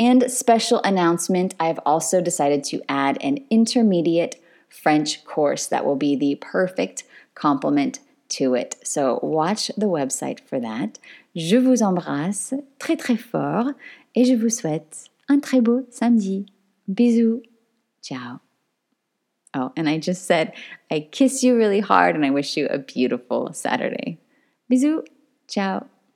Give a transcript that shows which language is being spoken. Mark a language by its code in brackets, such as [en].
[en] And special announcement, I've also decided to add an intermediate French course that will be the perfect complement to it. So watch the website for that. [fr] Je vous embrasse très très fort et je vous souhaite un très beau samedi. Bisous. Ciao. [en] Oh, and I just said, I kiss you really hard and I wish you a beautiful Saturday. [fr] Bisous. Ciao.